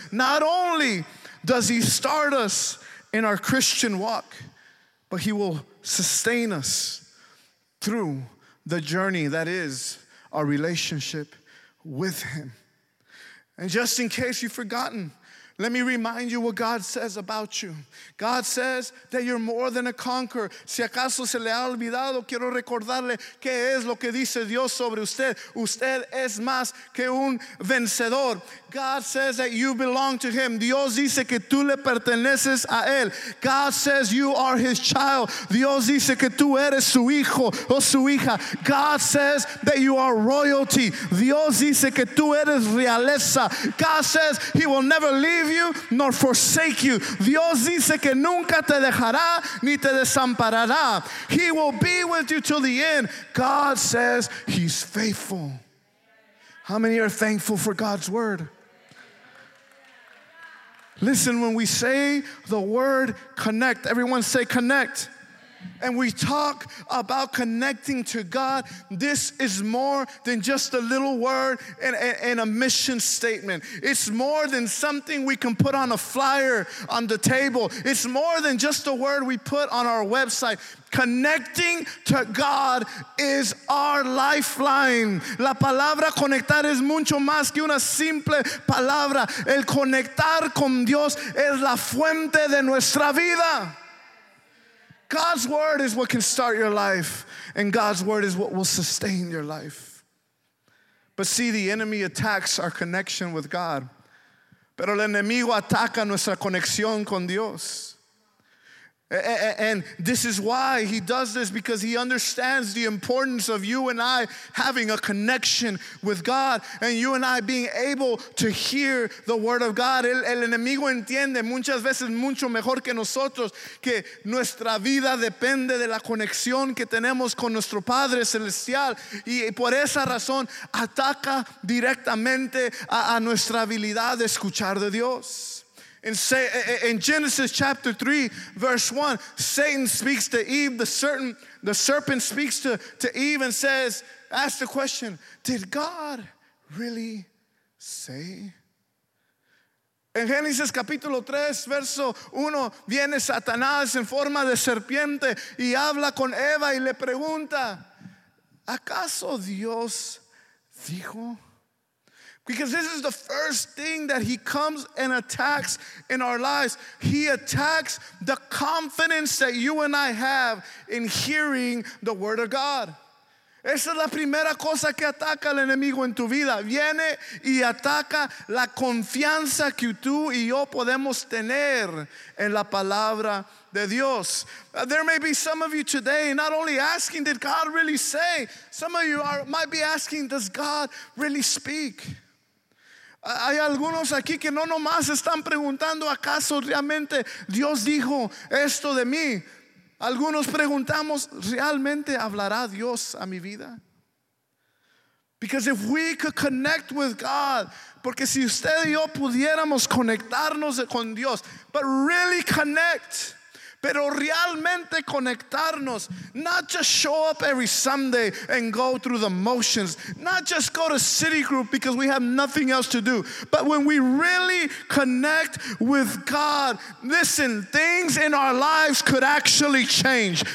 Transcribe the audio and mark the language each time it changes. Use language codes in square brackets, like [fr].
[en] Not only does he start us in our Christian walk, but he will sustain us through the journey that is our relationship with him. And just in case you've forgotten, let me remind you what God says about you. God says that you're more than a conqueror. [es] Si acaso se le ha olvidado, quiero recordarle qué es lo que dice Dios sobre usted. Usted es más que un vencedor. [en] God says that you belong to him. [es] Dios dice que tú le perteneces a él. [en] God says you are his child. [es] Dios dice que tú eres su hijo o su hija. [en] God says that you are royalty. [es] Dios dice que tú eres realeza. [en] God says he will never leave you nor forsake you. [es] Dios dice que nunca te dejará ni te desamparará. [en] He will be with you till the end. God says he's faithful. How many are thankful for God's word? Listen, when we say the word connect, everyone say connect. And we talk about connecting to God. This is more than just a little word and a mission statement. It's more than something we can put on a flyer on the table. It's more than just a word we put on our website. Connecting to God is our lifeline. [es] La palabra conectar es mucho más que una simple palabra. El conectar con Dios es la fuente de nuestra vida. [en] God's word is what can start your life, and God's word is what will sustain your life. But see, the enemy attacks our connection with God. [es] Pero el enemigo ataca nuestra conexión con Dios. [en] And this is why he does this, because he understands the importance of you and I having a connection with God and you and I being able to hear the word of God. [es] El enemigo entiende muchas veces mucho mejor que nosotros que nuestra vida depende de la conexión que tenemos con nuestro Padre Celestial, y por esa razón ataca directamente a nuestra habilidad de escuchar de Dios. [en] In Genesis chapter 3, verse 1, Satan speaks to Eve. The serpent speaks to Eve and says, ask the question, did God really say? [es] En Génesis capítulo 3, verso 1, viene Satanás en forma de serpiente y habla con Eva y le pregunta, ¿acaso Dios dijo? [en] Because this is the first thing that he comes and attacks in our lives. He attacks the confidence that you and I have in hearing the word of God. [es] Esa es la primera cosa que ataca el enemigo en tu vida. Viene y ataca la confianza que tú y yo podemos tener en la palabra de Dios. [en] There may be some of you today not only asking, did God really say? Some of you are, might be asking, does God really speak? [es] Hay algunos aquí que no nomás están preguntando, ¿acaso realmente Dios dijo esto de mí? Algunos preguntamos, ¿realmente hablará Dios a mi vida? [en] Because if we could connect with God, [es] porque si usted y yo pudiéramos conectarnos con Dios, [en] but really connect, [es] pero realmente conectarnos, [en] not just show up every Sunday and go through the motions, not just go to City Group because we have nothing else to do, but when we really connect with God, listen, things in our lives could actually change.